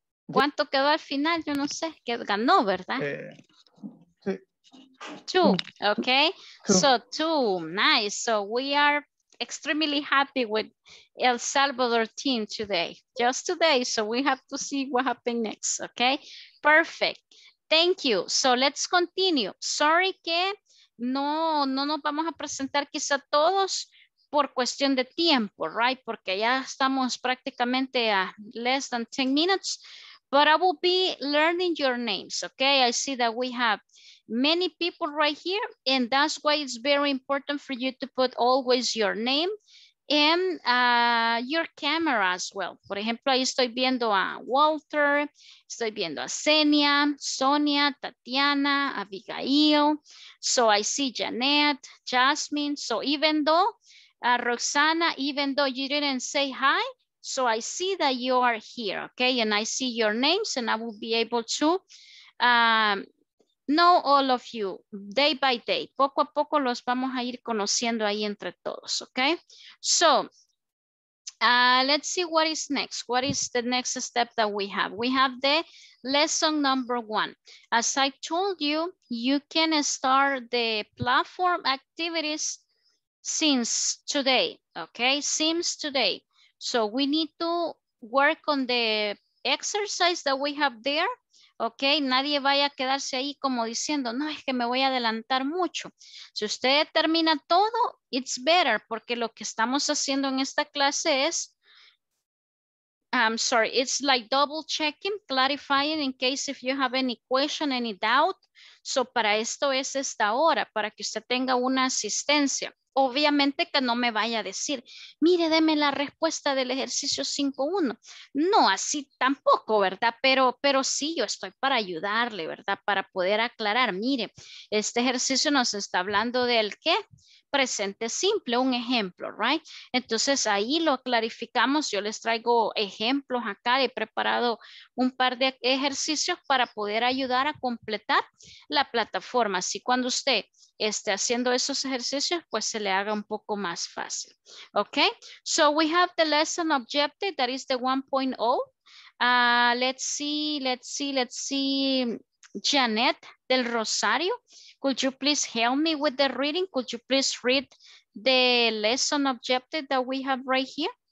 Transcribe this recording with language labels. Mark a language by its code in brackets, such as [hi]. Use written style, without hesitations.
[es] ¿Cuánto quedó al final? Yo no sé. ¿Qué ganó, verdad? [en] Two, okay, two. So two, nice. So we are extremely happy with El Salvador team today, just today. So we have to see what happened next, okay? Perfect, thank you. So let's continue. [es] Sorry que no nos vamos a presentar quizá todos por cuestión de tiempo, right? Porque ya estamos prácticamente a [en] less than 10 minutes, but I will be learning your names, okay? I see that we have many people right here, and that's why it's very important for you to put always your name and your camera as well. [es] Por ejemplo, ahí estoy viendo a [en] Walter, estoy viendo a Xenia, Sonia, Tatiana, Abigail, so I see Janet, Jasmine, so even though Roxana, even though you didn't say hi, so I see that you are here, okay, and I see your names, and I will be able to know all of you day by day. [es] Poco a poco los vamos a ir conociendo ahí entre todos, okay? [en] So, let's see what is next. What is the next step that we have? We have the lesson number one. As I told you, you can start the platform activities since today, okay? Since today. So we need to work on the exercise that we have there. [es] Ok, nadie vaya a quedarse ahí como diciendo, no, es que me voy a adelantar mucho. Si usted termina todo, [en] it's better, [es] porque lo que estamos haciendo en esta clase es, [en] I'm sorry, it's like double checking, clarifying in case if you have any question, any doubt. [es] So para esto es esta hora, para que usted tenga una asistencia. Obviamente que no me vaya a decir, mire, deme la respuesta del ejercicio 5.1. No, así tampoco, ¿verdad? Pero sí, yo estoy para ayudarle, ¿verdad? Para poder aclarar, mire, este ejercicio nos está hablando del qué, presente simple, un ejemplo, ¿right? Entonces ahí lo clarificamos, yo les traigo ejemplos acá, he preparado un par de ejercicios para poder ayudar a completar la plataforma. Así cuando usted esté haciendo esos ejercicios, pues se le haga un poco más fácil. [en] Ok, so we have the lesson objective, that is the 1.0. Let's see, Janet del Rosario. Could you please help me with the reading? Could you please read the lesson objective that we have right here?